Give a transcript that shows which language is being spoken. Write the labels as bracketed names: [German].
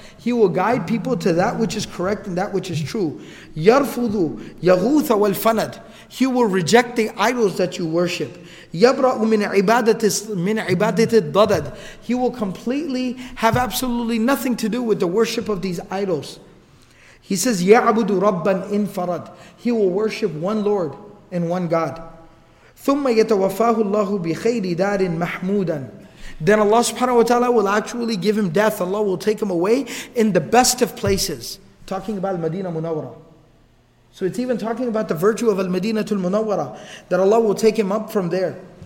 [English] He will guide people to that which is correct and that which is true. [Arabic] يَرْفُضُ يَغُوثَ وَالْفَنَدْ. [English] He will reject the idols that you worship. [Arabic] يَبْرَأُ مِنْ عِبَادَةِ الضَّدَدْ. [English] He will completely have absolutely nothing to do with the worship of these idols. He says, [Arabic] يَعْبُدُ رَبًّا إِنْفَرَدْ. [English] He will worship one Lord and one God. [Arabic] ثُمَّ يَتَوَفَّاهُ اللَّهُ بِخَيْرِ دَارٍ مَحْمُودًا. [English] Then Allah subhanahu wa ta'ala will actually give him death. Allah will take him away in the best of places. Talking about Al-Madinah Munawwara. So it's even talking about the virtue of Al-Madinatul Munawwara, that Allah will take him up from there.